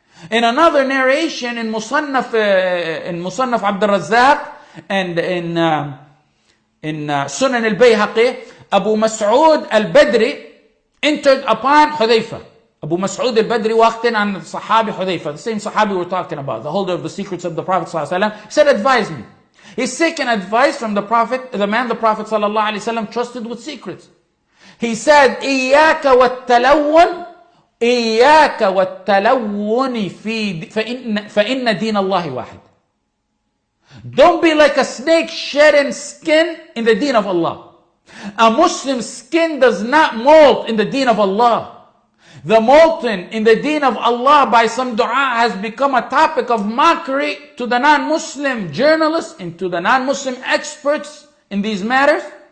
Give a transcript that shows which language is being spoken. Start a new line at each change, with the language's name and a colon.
English: In another narration in Musannaf Abd al-Razzaq and in Sunan al-Bayhaqi, Abu Mas'ud al-Badri entered upon Hudhayfa. Abu Mas'ud al-Badri walked in on Sahabi Hudhayfa, the same Sahabi we're talking about, the holder of the secrets of the Prophet sallallahu alaihi wasallam, said, advise me. He's seeking advice from the Prophet, the man the Prophet sallallahu alaihi wasallam trusted with secrets. He said,
Arabic: إِيَّاكَ وَالتَّلَوُّنِ إِيَّاكَ وَالتَّلَوُّنِ فِي فَإِنَّ دِينَ اللَّهِ وَاحِدٍ.
English: Don't be like a snake shedding skin in the deen of Allah. A Muslim skin does not molt in the deen of Allah. The molting in the deen of Allah by some dua has become a topic of mockery to the non-Muslim journalists and to the non-Muslim experts in these matters.